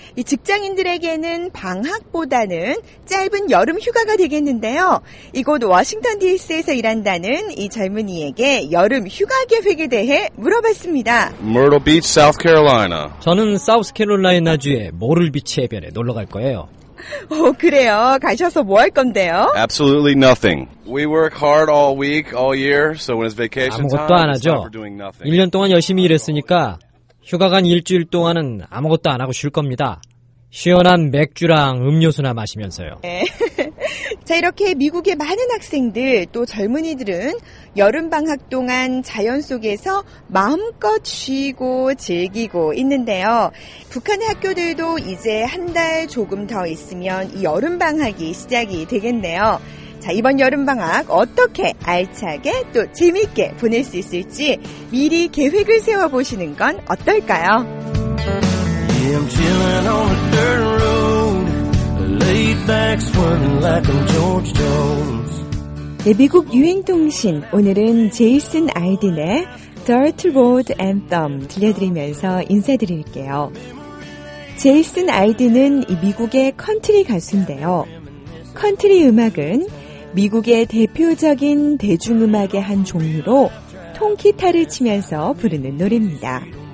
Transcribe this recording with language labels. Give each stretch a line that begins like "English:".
Korean: 이 직장인들에게는 방학보다는 짧은 여름 휴가가 되겠는데요. 이곳 워싱턴 DC에서 일한다는 이 젊은이에게 여름 휴가 계획에 대해 물어봤습니다.
English: Myrtle Beach, South Carolina.
Korean: 저는 사우스 캐롤라이나 주에 모를 비치 해변에 놀러 갈 거예요. 오, 그래요. 가셔서 뭐 할 건데요?
English: Absolutely nothing. We work hard all week, all year, so when it's vacation time.
Korean: 아무것도 안 하죠. 1년 동안 열심히 일했으니까 휴가 간 일주일 동안은 아무것도 안 하고 쉴 겁니다. 시원한 맥주랑 음료수나 마시면서요. 자, 이렇게 미국의 많은 학생들 또 젊은이들은 여름 방학 동안 자연 속에서 마음껏 쉬고 즐기고 있는데요. 북한의 학교들도 이제 한 달 조금 더 있으면 이 여름 방학이 시작이 되겠네요. 자, 이번 여름 방학 어떻게 알차게 또 재미있게 보낼 수 있을지 미리 계획을 세워보시는 건 어떨까요?
English: I'm chilling on a dirt road, laid back swimming like I'm George Jones.
Korean: 네, 미국 유행통신 오늘은 제이슨 알딘의 Dirt Road Anthem 들려드리면서 인사드릴게요. 제이슨 알딘은 미국의 컨트리 가수인데요. 컨트리 음악은 미국의 대표적인 대중음악의 한 종류로 통기타를 치면서 부르는 노래입니다.